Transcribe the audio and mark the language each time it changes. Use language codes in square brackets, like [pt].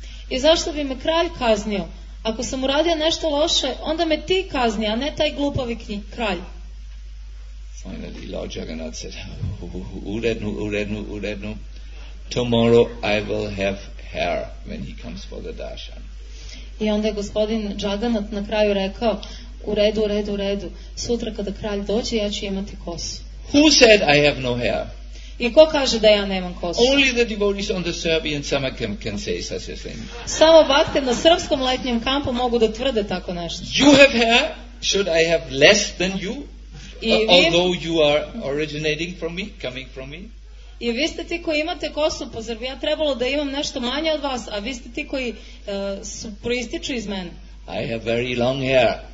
[sr] I zašto bi me kralj kaznio? Ako sam uradio nešto loše, onda me ti kazni, a ne taj glupavi kralj. [en] Finally, Lord Jagannath said, [sr] urednu, urednu, urednu, [en] tomorrow I will have hair when he comes for the darshan. [sr] I onda je gospodin Jagannath na kraju rekao, U redu, u redu, u redu. Sutra kada kralj dođe, ja ću imati kosu. [en] Who said I have no hair? [sr] I ko kaže da ja nemam kosu? [en] Only the devotees on the Serbian summer camp can say such a thing. [sr] Samo bakte na srpskom letnjem kampu mogu da tvrde tako nešto. [en] You have hair? Should I have less than you? Although you are originating from me, coming from me? [sr] I vi ste ti koji imate kosu, pa zar bi ja trebalo da imam nešto manje od vas, a vi ste ti koji proističu iz mene? [en] I have very long hair.